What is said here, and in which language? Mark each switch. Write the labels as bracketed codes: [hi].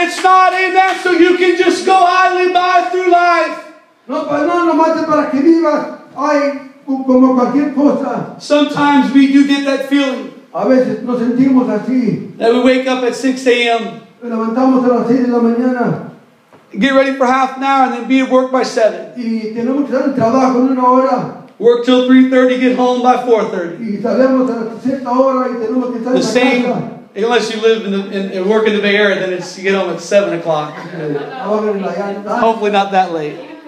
[en] It's not, amen, so you can just go idly by through life. Sometimes we do get that feeling. [es] A veces nos sentimos así. [en] That we wake up at 6 a.m. [es] Levantamos a las 6 de la mañana. [en] Get ready for half an hour and then be at work by 7. [es] Y tenemos que estar en trabajo en una hora. [en] Work till 3:30, get home by 4:30. The same, unless you live and work in the Bay Area, then it's, you get home at 7 o'clock. Hopefully not that late.